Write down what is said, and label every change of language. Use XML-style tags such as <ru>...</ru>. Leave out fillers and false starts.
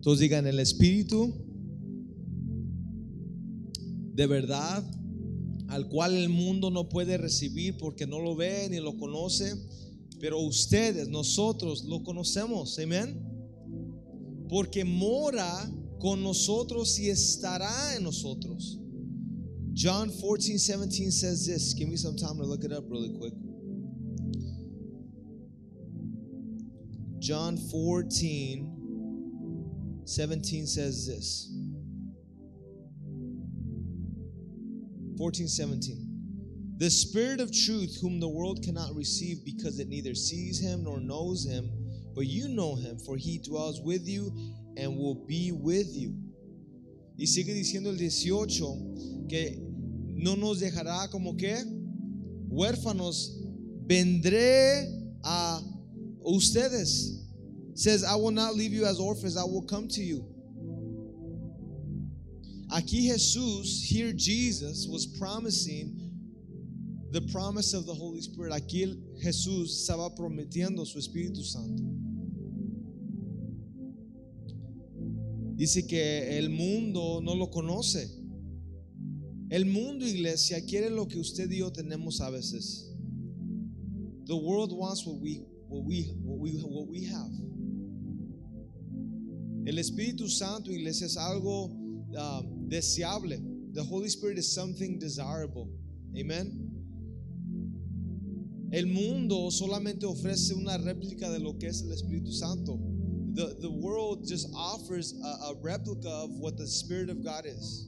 <es>Todos digan, el Espíritu de verdad, al cual el mundo no puede recibir porque no lo ve ni lo conoce, pero ustedes, nosotros lo conocemos, amén, porque mora con nosotros y estará en nosotros.</es> <en>John 14:17 says this. Give me some time to look it up really quick. John 14:17 says this. 14:17. The Spirit of truth, whom the world cannot receive because it neither sees him nor knows him, but you know him, for he dwells with you and will be with you.</en> <es>Y sigue diciendo el 18 que no nos dejará como que huérfanos. Vendré a ustedes.</es> <en>Says, I will not leave you as orphans. I will come to you.</en> <es>Aquí Jesús,</es> <en>here Jesus was promising the promise of the Holy Spirit.</en> <es>Aquí Jesús estaba prometiendo su Espíritu Santo. Dice que el mundo no lo conoce. El mundo, iglesia, quiere lo que usted y yo tenemos a veces.</es> <en>The world wants what we have.</en> <es>El Espíritu Santo, iglesia, es algo deseable.</es> <en>The Holy Spirit is something desirable. Amen.</en> <es>El mundo solamente ofrece una réplica de lo que es el Espíritu Santo.</es> <en>The world just offers a replica of what the Spirit of God is.</en>